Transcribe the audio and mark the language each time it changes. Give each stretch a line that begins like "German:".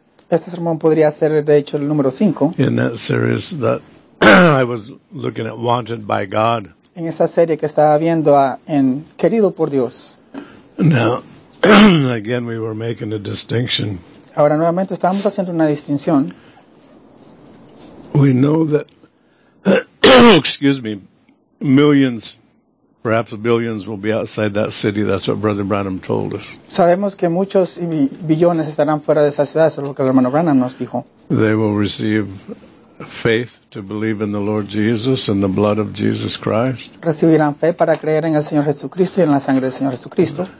Spanish: Este sermón podría ser de hecho el número 5.
English: In that series that I was looking at, Wanted by God.
Spanish: En esa serie que estaba viendo en Querido por Dios.
English: Now, again, we were making a distinction.
Spanish: Ahora nuevamente estamos haciendo una distinción.
English: We know that, excuse me, millions, perhaps billions, will be outside that city. That's what Brother Branham told us.
Spanish: Sabemos que muchos y billones estarán fuera de esa ciudad. Eso es lo que el hermano Branham nos dijo.
English: They will receive faith to believe in the Lord Jesus and the blood of Jesus Christ.
Spanish: Recibirán fe para creer en el Señor Jesucristo y en la sangre del Señor Jesucristo.